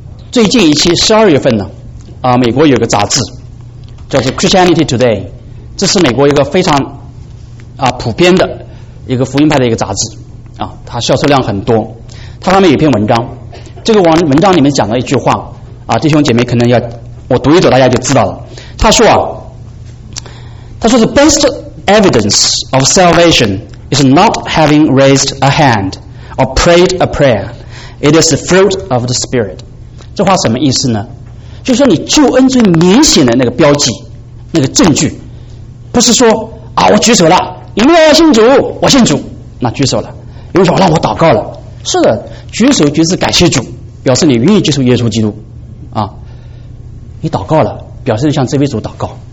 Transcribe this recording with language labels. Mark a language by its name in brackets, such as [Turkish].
[Chinese] 最近一期12月份呢啊，美国有个杂志叫做 Christianity Today， 这是美国一个非常啊普遍的一个福音派的一个杂志啊，它销售量很多。它上面有一篇文章，这个文章里面讲了一句话啊，弟兄姐妹可能要我读一读，大家就知道了。他说啊，他说 [English] the best evidence of salvation is not having raised a hand or prayed a prayer, it is the fruit of the spirit。 [Chinese] 这话什么意思呢？就是说你救恩最明显的那个标记，那个证据，不是说啊我举手了，你们要信主我信主，那举手了，有人说那我祷告了，是的，举手举止感谢主，表示你愿意接受耶稣基督啊，你祷告了，表示你向这位主祷告。